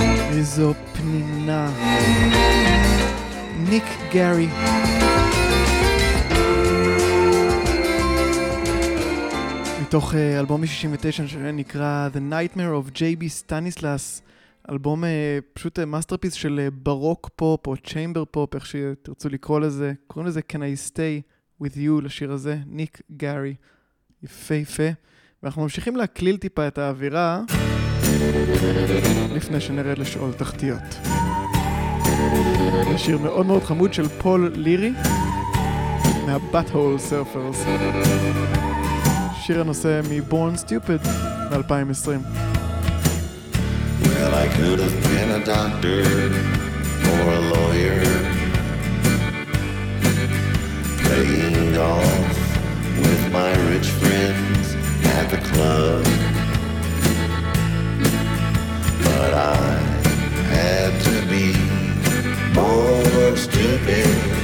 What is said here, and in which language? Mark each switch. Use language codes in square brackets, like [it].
[he] איזו פנינה. ניק גארי. מתוך אלבום 69 שנקרא The Nightmare of J.B. Stanislas. אלבום פשוט מאסטרפיס של ברוק פופ או צ'יימבר פופ, איך שתרצו לקרוא לזה. קוראים לזה Can I Stay With You, לשיר הזה, ניק גארי. יפה יפה. ואנחנו ממשיכים להקליל טיפה את האווירה לפני שנרד לשאול תחתיות. זה שיר מאוד מאוד חמוד של פול לירי מהבאטהול סרפרס, שיר הנושא מבורן סטיופיד מ-2020. [en] Well, I could have been a doctor or a lawyer, playing golf with my rich friends at the club, but I had to be born stupid.